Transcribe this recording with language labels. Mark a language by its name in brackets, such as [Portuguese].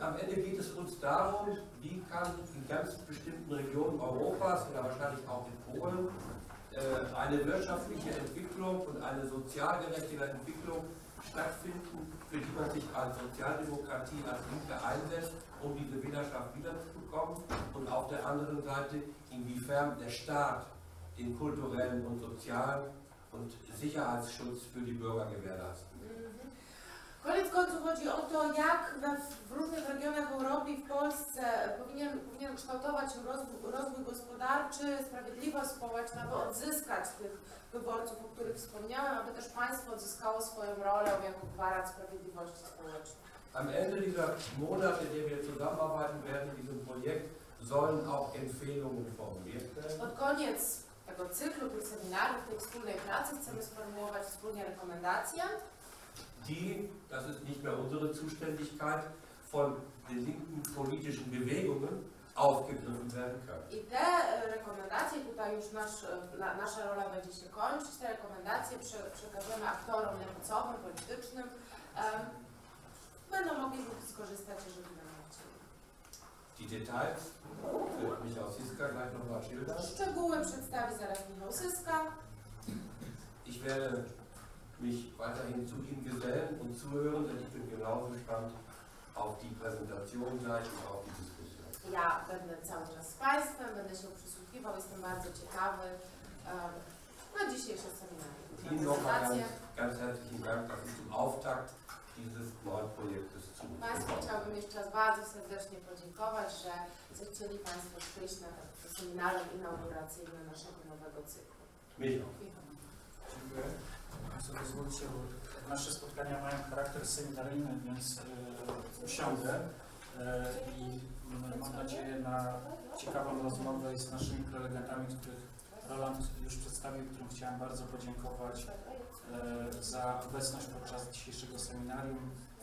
[German] Am Ende geht es uns darum, wie kann in ganz bestimmten Regionen Europas oder wahrscheinlich auch in Polen eine wirtschaftliche Entwicklung und eine sozial gerechte Entwicklung stattfinden, für die man sich als Sozialdemokratie, als Linke einsetzt, um diese Wählerschaft wiederzubekommen. Und auf der anderen Seite, inwiefern der Staat den kulturellen und sozialen und Sicherheitsschutz für die Bürger gewährleistet. [Polish] Koniec końców chodzi o to, jak w różnych regionach Europy i w Polsce powinien kształtować się rozwój gospodarczy, sprawiedliwość społeczna, aby odzyskać tych wyborców, o których wspomniałem, aby też państwo odzyskało swoją rolę jako gwarant sprawiedliwości społecznej. [German] Am Ende dieser Monate, [Polish] gdy [German] wir zusammenarbeiten werden [Polish] w [German] diesem Projekt, sollen auch Empfehlungen formuliert werden. [Polish] Pod koniec tego cyklu, tych seminarów, tej wspólnej pracy chcemy sformułować wspólnie rekomendacje. [German] Die, das ist nicht mehr unsere Zuständigkeit, von den linken politischen Bewegungen aufgegriffen werden können. [Polish] I te rekomendacje, tutaj już nasza rola będzie się kończyć, te rekomendacje przekażemy aktorom lewicowym, politycznym, będą mogli skorzystać, jeżeli będą chcieli. [German] Die Details wird Michał Siska gleich nochmal schildern. [Polish] Szczegóły przedstawi zaraz Michał Siska. [German] Ich werde mich weiterhin zu Ihnen gesellen und zuhören, denn ich bin genauso gespannt auf die Präsentation gleich und auf die Diskussion. [Polish] Ja, będę cały czas z Państwem, będę się przysłuchiwał, jestem bardzo ciekawy na dzisiejsze seminarium. [German] Ihnen nochmal ganz herzlichen Dank, dass ich zum Auftakt dieses neuen Projektes zu mir. [Polish] Państwu chciałbym jeszcze raz bardzo serdecznie podziękować, że zechcieli Państwo przyjść na to seminarium inauguracyjne naszego nowego cyklu. Michał. Dziękuję. Państwo pozwólcie, bo nasze spotkania mają charakter seminaryjny, więc usiądę i mam nadzieję na ciekawą rozmowę z naszymi prelegentami, których Roland już przedstawił, którym chciałem bardzo podziękować za obecność podczas dzisiejszego seminarium.